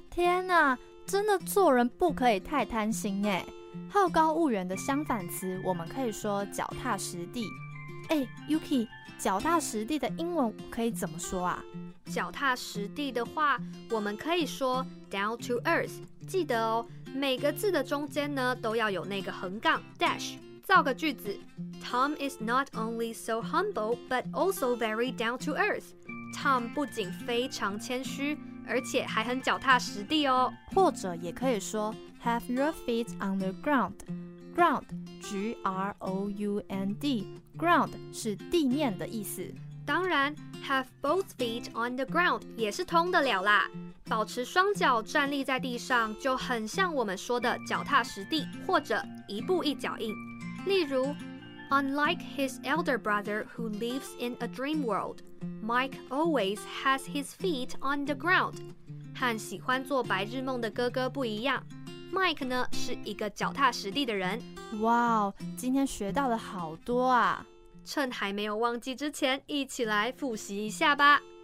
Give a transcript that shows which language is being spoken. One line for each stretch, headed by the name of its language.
Chinese: 天哪，真的做人不可以太贪心耶。好高骛远的相反词我们可以说脚踏实地。 Yuki， 脚踏实地的英文可以怎么说啊？脚踏实地的话，我们可以说
English: down to earth。
Chinese: 记得哦，每个字的中间呢都要有那个横杠 dash。造个句子
English: ，Tom is not only so humble but also very down to earth。
Chinese: Tom 不仅非常谦虚，而且还很脚踏实地哦。或者也可以说
English: have your feet on the ground。
Chinese: Ground, G-R-O-U-N-D, ground 是地面的意思。当然
English: ，have both feet on the ground
Chinese: 也是通得了啦。保持双脚站立在地上，就很像我们说的脚踏实地，或者一步一脚印。例如
English: ，Unlike his elder brother who lives in a dream world, Mike always has his feet on the ground。
Chinese: 和喜欢做白日梦的哥哥不一样。 Mike 呢是一个脚踏实地的人。哇、wow, 今天学到了好多啊。趁还没有忘记之前一起来复习一下吧。